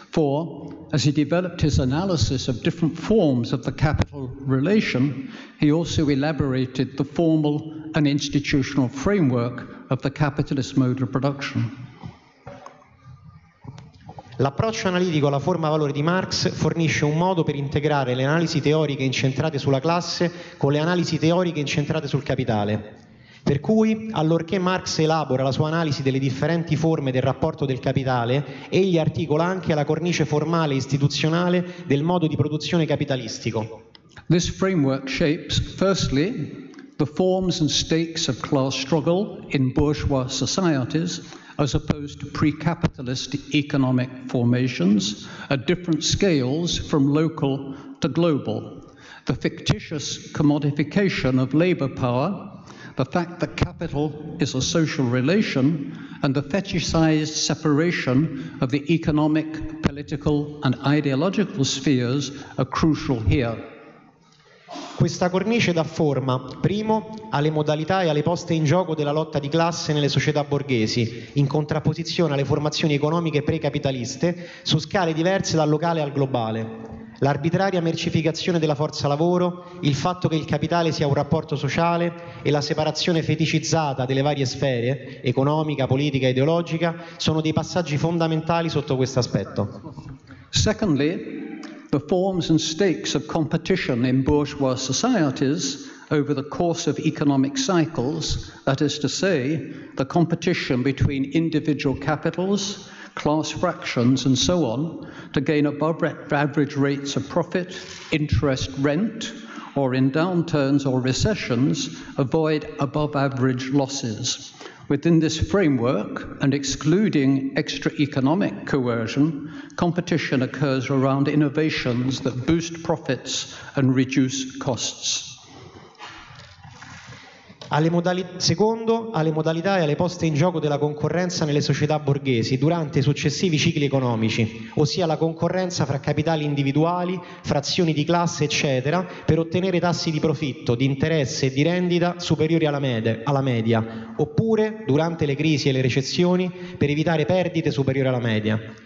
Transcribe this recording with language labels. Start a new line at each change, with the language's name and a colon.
English: For, as he developed his analysis of different forms of the capital relation, he also elaborated the formal and institutional framework of the capitalist mode of production.
Italian: L'approccio analitico alla forma valore di Marx fornisce un modo per integrare le analisi teoriche incentrate sulla classe con le analisi teoriche incentrate sul capitale. Per cui, allorché Marx elabora la sua analisi delle differenti forme del rapporto del capitale, egli articola anche la cornice formale e istituzionale del modo di produzione capitalistico.
English: This framework shapes, firstly, the forms and stakes of class struggle in bourgeois societies as opposed to pre-capitalist economic formations at different scales from local to global. The fictitious commodification of labor power, the fact that capital is a social relation, and the fetishized separation of the economic, political, and ideological spheres are crucial here.
Italian: Questa cornice dà forma, primo, alle modalità e alle poste in gioco della lotta di classe nelle società borghesi, in contrapposizione alle formazioni economiche precapitaliste, su scale diverse dal locale al globale. L'arbitraria mercificazione della forza lavoro, il fatto che il capitale sia un rapporto sociale e la separazione feticizzata delle varie sfere, economica, politica e ideologica, sono dei passaggi fondamentali sotto questo aspetto.
English: Secondly, the forms and stakes of competition in bourgeois societies over the course of economic cycles, that is to say, the competition between individual capitals, class fractions and so on, to gain above average rates of profit, interest, rent, or in downturns or recessions, avoid above average losses. Within this framework, and excluding extra-economic coercion, competition occurs around innovations that boost profits and reduce costs.
Italian: Secondo, alle modalità e alle poste in gioco della concorrenza nelle società borghesi durante i successivi cicli economici, ossia la concorrenza fra capitali individuali, frazioni di classe, eccetera, per ottenere tassi di profitto, di interesse e di rendita superiori alla media, oppure, durante le crisi e le recessioni, per evitare perdite superiori alla media.